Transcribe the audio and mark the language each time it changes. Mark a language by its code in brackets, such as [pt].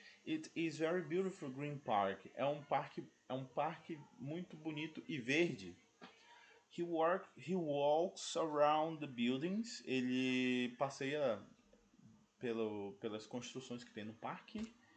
[en] It is very beautiful green park. [pt] É um parque muito bonito e verde. [en] He walks around the buildings. [pt] Ele passeia pelas construções que tem no parque.